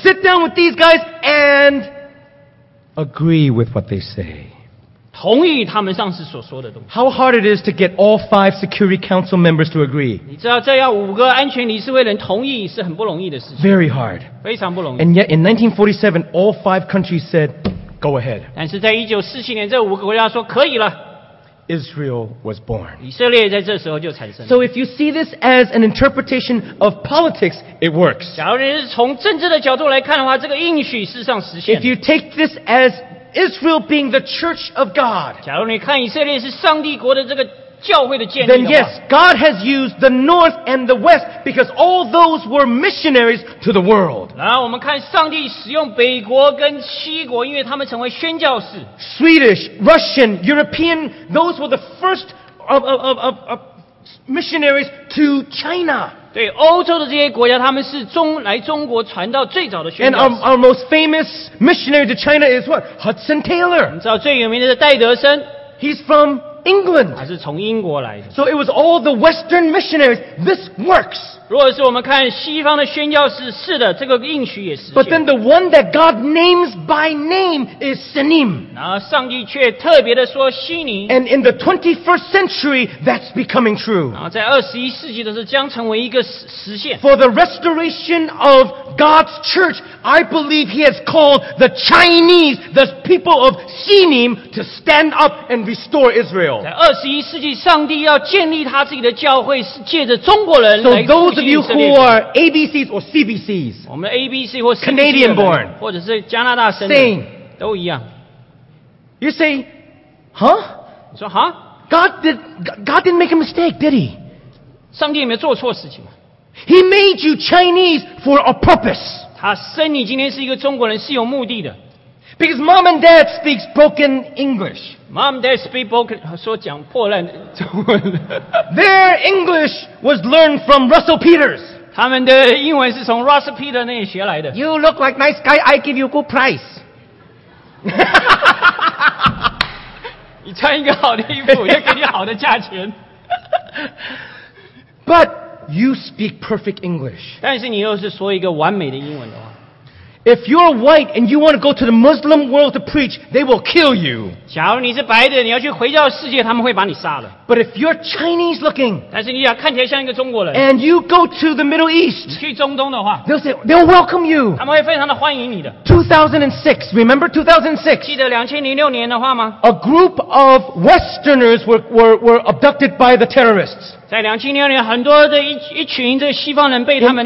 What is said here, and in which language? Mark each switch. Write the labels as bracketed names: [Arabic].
[English] ，Sit down with these guys and agree with what they say。 [Chinese] 同意他们上次所说的东西。 [English] How hard it is to get all five Security Council members to agree. [Chinese] 你知道这要五个安全理事会人同意是很不容易的事情。 [English] Very hard. [Chinese] 非常不容易。 [English] And yet in 1947, all five countries said, "Go ahead." [Chinese] 但是在1947年，这五个国家说可以了。 [English] Israel was born. [Chinese] 以色列在这时候就产生了。 [English] So if you see this as an interpretation of politics, it works. [Chinese] 假如你是从政治的角度来看的话，这个应许事实上实现。 [English] If you take this as Israel being the church of God. [Chinese] 假如你看以色列是上帝国的这个教会的建立的话 [English] Then yes, God has used the north and the west because all those were missionaries to the world. [Chinese] 然后我们看上帝使用北国跟西国，因为他们成为宣教士。 [English] Swedish, Russian, European, those were the first of missionaries to China. [Chinese] 对欧洲的这些国家，他们是来中国传道最早的宣教士。 [English] And our most famous missionary to China is what? Hudson Taylor. [Chinese] 你知道最有名的是戴德森。 [English] He's from England. [Chinese] 他是从英国来的。 [English] So it was all the Western missionaries. This works. [Chinese] 如果是我们看西方的宣教士，是的，这个应许也实现。 [English] But then the one that God names by name is Sinim. [Chinese] 然后上帝却特别的说希尼。 [English] And in the 21st century, that's becoming true. [Chinese] 然后在21世纪的时候，将成为一个实现。 [English] For the restoration of God's church, I believe He has called the Chinese, the people of Sinim, to stand up and restore Israel. [Chinese] 在21世纪，上帝要建立他自己的教会，是借着中国人来。 [English] Those of you who are ABCs or CBCs, [Chinese] 我们 ABC 或 CBC [English] 人 born, [Chinese] 或者是加拿大生 [English] 的 same, [Chinese] 都一样。 [English] You say, huh? [Chinese] 你说 huh? [English] God didn't make a mistake, did he? [Chinese] 上帝有没有做错事情吗？ [English] He made you Chinese for a purpose. [Chinese] 他生你今天是一个中国人是有目的的。 [English] Because mom and dad speak broken English. Mom and dad speak broken, [Chinese] 说讲破烂中文。 [English] Their English was learned from Russell Peters. [Chinese] 他们的英文是从 Russell Peters 那里学来的。 [English] You look like nice guy, I give you good price. [Chinese] 你穿一个好的衣服，我就给你好的价钱。 [English] But you speak perfect English. [Chinese] 但是你又是说一个完美的英文的话。 [English] If you're white and you want to go to the Muslim world to preach, they will kill you. [Chinese] 假如你是白的，你要去回教世界，他们会把你杀了。 [English] But if you're Chinese looking, [Chinese] 但是你要看起来像一个中国人。 [English] And you go to the Middle East, [Chinese] 你去中东的话， [English] they'll welcome you. [Chinese] 他们会非常的欢迎你的。 [English] 2006, remember 2006? [Chinese] 记得2006年的话吗？ [English] A group of Westerners were abducted by the terrorists. [Chinese] 在2006年，很多的一群这西方人被他们